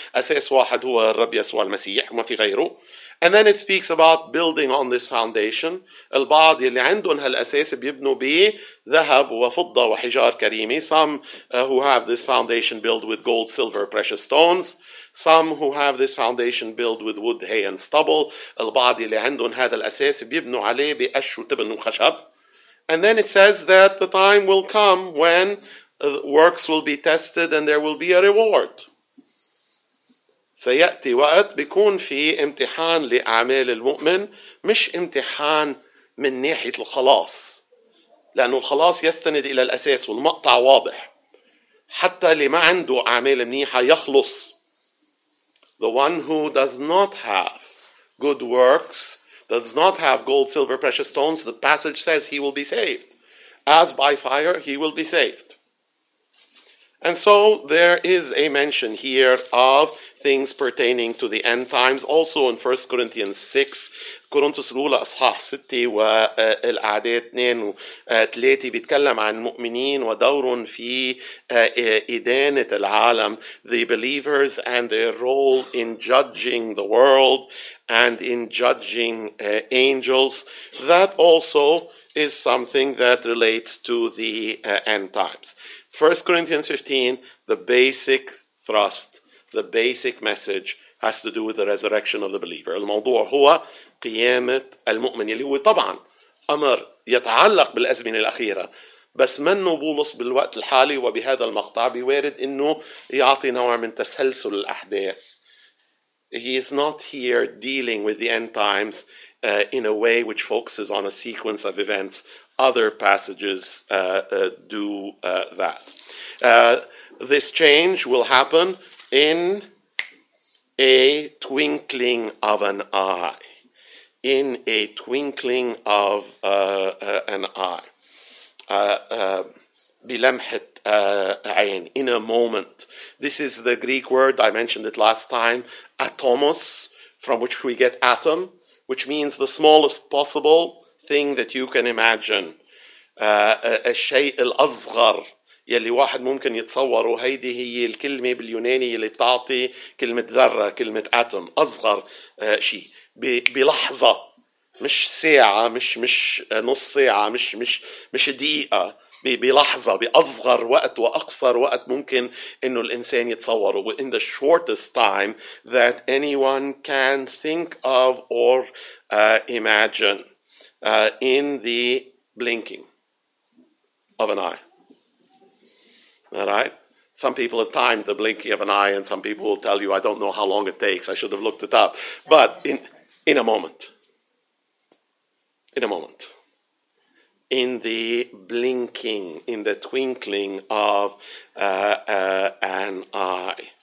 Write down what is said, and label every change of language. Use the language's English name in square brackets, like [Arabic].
[Arabic] أساس واحد هو الرب يسوع المسيح وما في غيره. [English] And then it speaks about building on this foundation. [Arabic] البعض اللي عندهم هالأساس بيبنوا به ذهب وفضة وحجار كريمة. [English] Some who have this foundation build with gold, silver, precious stones. Some who have this foundation build with wood, hay, and stubble. [Arabic] البعض اللي عندهم هذا الأساس بيبنوا عليه بقش وتبن وخشب. [English] And then it says that the time will come when works will be tested and there will be a reward. [Arabic] سيأتي وقت بيكون في امتحان لأعمال المؤمن, مش امتحان من ناحية الخلاص, لأنه الخلاص يستند إلى الأساس والمقطع واضح. حتى اللي ما عنده أعمال منيحة يخلص. [English] The one who does not have good works, does not have gold, silver, precious stones, the passage says he will be saved. As by fire, he will be saved. And so there is a mention here of things pertaining to the end times. Also in 1 Corinthians 6, [Arabic] كورنثوس الأولى أصحاح 6 والأعداد 2 و 3 بيتكلم عن المؤمنين ودورهم في إدانة العالم, [English] the believers and their role in judging the world and in judging angels. That also is something that relates to the end times. 1 Corinthians 15, the basic thrust, the basic message has to do with the resurrection of the believer. [Arabic] الموضوع هو قيامة المؤمن, اللي هو طبعا أمر يتعلق بالأزمنة الأخيرة, بس منه بولس بالوقت الحالي وبهذا المقطع بيوارد أنه يعطي نوع من تسلسل الأحداث. [English] He is not here dealing with the end times in a way which focuses on a sequence of events. Other passages do that. This change will happen in a twinkling of an eye. In a twinkling of an eye. [Arabic] بلمحت عين, [English] in a moment. This is the Greek word, I mentioned it last time, atomos, from which we get atom, which means the smallest possible thing that you can imagine. [Arabic] الشيء الأصغر يلي واحد ممكن يتصوره, هيدي هي الكلمة باليوناني اللي بتعطي كلمة ذرة, كلمة أتوم, أصغر شيء بلحظة, مش ساعة, مش نص ساعة, مش دقيقة, بلحظة, بأصغر وقت وأقصر وقت ممكن إنه الإنسان يتصوره, [English] in the shortest time that anyone can think of or imagine, in the blinking of an eye. All right. Some people have timed the blinking of an eye, and some people will tell you, I don't know how long it takes. I should have looked it up. But in a moment. In a moment. In the blinking, in the twinkling of an eye.